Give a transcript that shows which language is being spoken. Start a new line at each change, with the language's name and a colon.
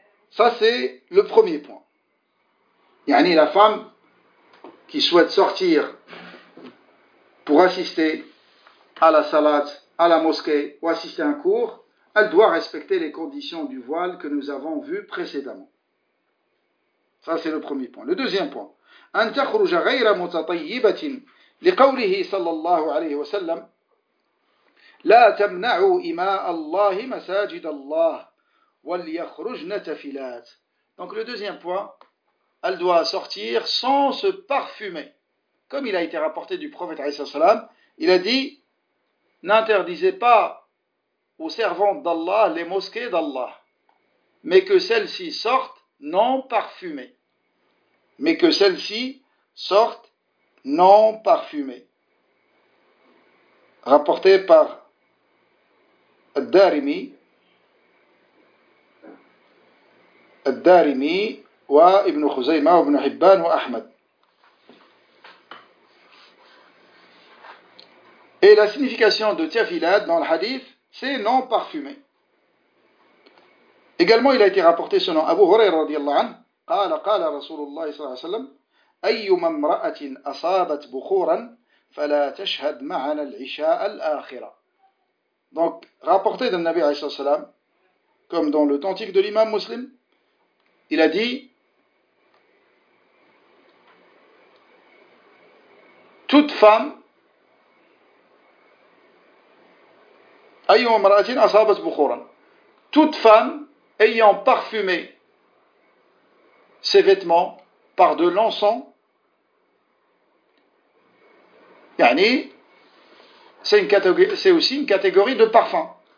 French: Ça, c'est le premier point. Yani, la femme qui souhaite sortir pour assister à la salate, à la mosquée ou assister à un cours, elle doit respecter les conditions du voile que nous avons vues précédemment. Ça, c'est le premier point. Le deuxième point.
Arabic: أن تخرج غير متطيبة لقوله صلى الله عليه وسلم لا تمنعوا إماء الله مساجد الله وليخرجن تفلات.
French: Donc le deuxième point, elle doit sortir sans se parfumer. Comme il a été rapporté du prophète عليه الصلاة والسلام, il a dit n'interdisez pas aux servantes d'Allah les mosquées d'Allah, mais que celles-ci sortent non parfumées. Mais que celles-ci sortent non parfumées. Rapporté par Ad-Darimi, Ad-Darimi, wa Ibn Khuzaymah, wa Ibn Hibban, wa Ahmad. Et la signification de Tiafilad dans le hadith, c'est non parfumé. Également, il a été rapporté selon Abu Hurayra radiallahu anhu.
Arabic: قال قال رسول الله صلى الله عليه وسلم أيما امرأة أصابت بخورا فلا تشهد معنا العشاء الآخرة.
French: Donc rapporté de Nabi
Arabic: عليه الصلاة والسلام,
French: comme dans l'authentique de l'imam Muslim, il a dit toute femme
Arabic: أيما امرأة أصابت بخورا,
French: toute femme ayant parfumé ses vêtements par de l'encens, yani, c'est aussi une catégorie de parfum.